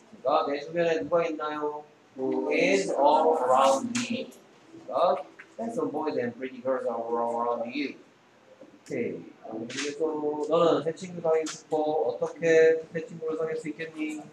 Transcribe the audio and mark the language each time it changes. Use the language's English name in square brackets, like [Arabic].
[Korean] 그러니까 내 주변에 누가 있나요? [English] Who is all around me? Handsome boys and pretty girls are all around you. Okay. [Korean] 그래서 너는 새 친구 사귈 수 있고 어떻게 새 친구를 사귈 수 있겠니?